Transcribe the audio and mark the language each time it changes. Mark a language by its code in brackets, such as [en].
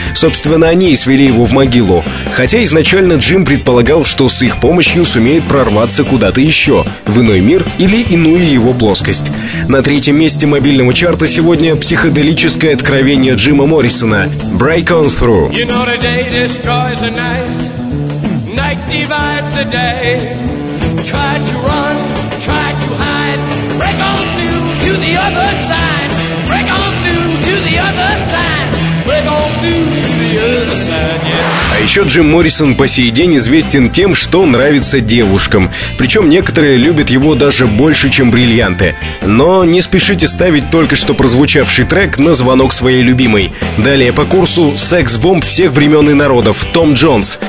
[ru] Собственно, они и свели его в могилу. Хотя изначально Джим предполагал, что с их помощью сумеет прорваться куда-то еще, в иной мир или иную его плоскость. На 3-м месте мобильного чарта сегодня психоделическое откровение Джима Моррисона «Break on through». [en] You know the day destroys the night divides the day. Try to run, try to hide. Break on through to the other side. Break on through to the other side. Break on through to the other side, yeah. [ru] А еще Джим Моррисон по сей день известен тем, что нравится девушкам. Причем некоторые любят его даже больше, чем бриллианты. Но не спешите ставить только что прозвучавший трек на звонок своей любимой. Далее по курсу секс-бомб всех времен и народов Том Джонс.